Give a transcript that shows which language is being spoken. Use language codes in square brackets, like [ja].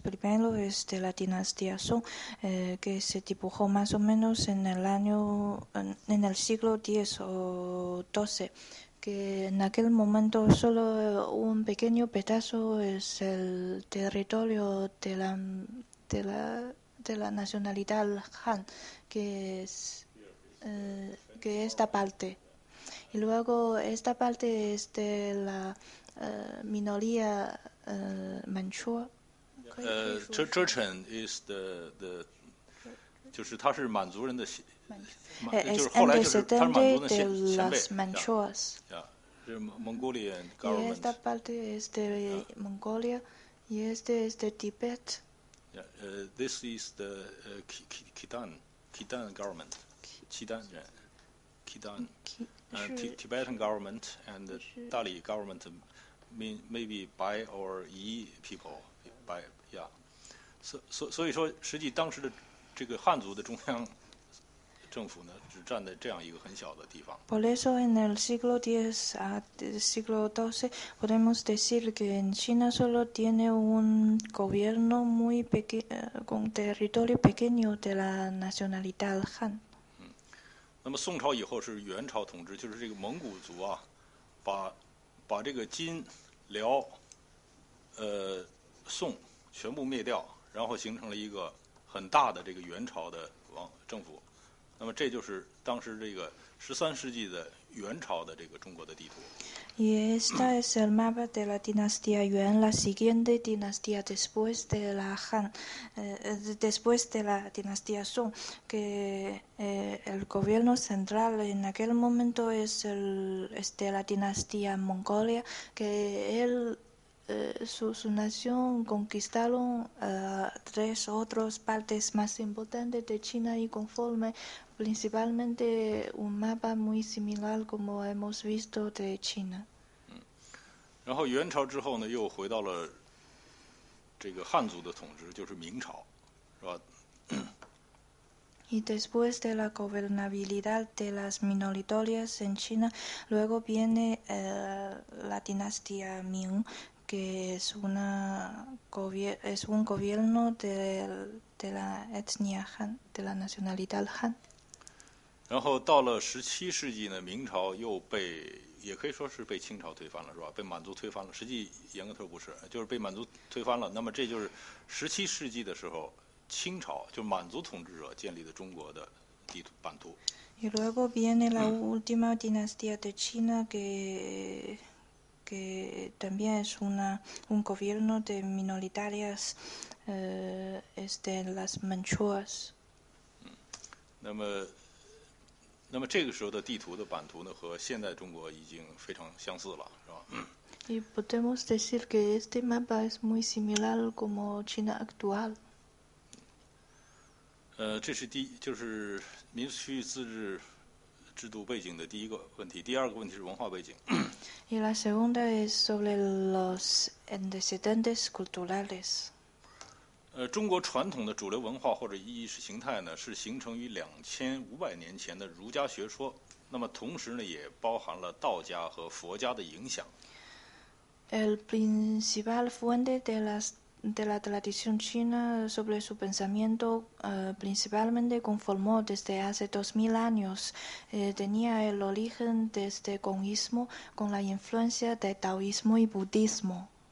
[es] Primero es de la dinastía Song, que se dibujó más o menos en el siglo X o XII, que en aquel momento solo un pequeño pedazo es el territorio de la nacionalidad Han, que es esta parte. Y luego esta parte es de la minoría manchúa. Chechen es de [zh] 就是他是满族人的就是后来就是他满族的前辈。 [en] Yeah, yeah, 是 Mongolian government. [es] Y esta parte es de Mongolia y este es de Tibet. [en] This is the Khitan government. Khitan人Khitan, Tibetan government and the Dali government, maybe Bai or Yi people, Bai, yeah. So, [zh] 所以说，实际当时的这个汉族的中央政府呢，只站在这样一个很小的地方。 [es] Por eso, en el siglo X a siglo XII, podemos decir que en China solo tiene un gobierno muy pequeño, con territorio pequeño de la nacionalidad Han. [zh] 那么宋朝以后是元朝统治，就是这个蒙古族啊，把这个金、辽、宋全部灭掉，然后形成了一个很大的这个元朝的王政府。那么这就是当时这个十三世纪的元朝的这个中国的地图。 [es] Y esta es el mapa de la dinastía Yuan, la siguiente dinastía después de la Han, después de la dinastía Song, que el gobierno central en aquel momento es de la dinastía Mongolia, que su nación conquistaron tres otras partes más importantes de China y conforme principalmente un mapa muy similar como hemos visto de China. [zh] 然后元朝之后呢，又回到了这个汉族的统治，就是明朝，是吧？ [es] Y después de la gobernabilidad de las minoritarias en China, luego viene la dinastía Ming, que es, una es un gobierno de la etnia Han, de la nacionalidad Han. [zh] 然后到了17世纪呢, 明朝又被, 也可以说是被清朝推翻了, 是吧? 被满族推翻了, 实际严格说不是, 就是被满族推翻了, 那么这就是17世纪的时候, 清朝, 就满族统治者建立的中国的地图版图。 [es] Y luego viene la última dinastía de China, que también es un gobierno de minoritarias, las Manchuas. [zh] 那么这个时候的地图的版图呢, 和现在中国已经非常相似了, 是吧? [es] Y podemos decir que este mapa es muy similar como China actual. [zh] 这是民族区域自治制度背景的第一个问题，第二个问题是文化背景。 [es] Y la segunda es sobre los antecedentes culturales. [zh] 中国传统的主流文化或者意识形态呢，是形成于2500年前的儒家学说，那么同时呢，也包含了道家和佛家的影响。 [es] El principal fuente de las de la tradición china sobre su pensamiento principalmente conformó desde hace 2000 años tenía el origen de este gongismo con la influencia de taoísmo y budismo.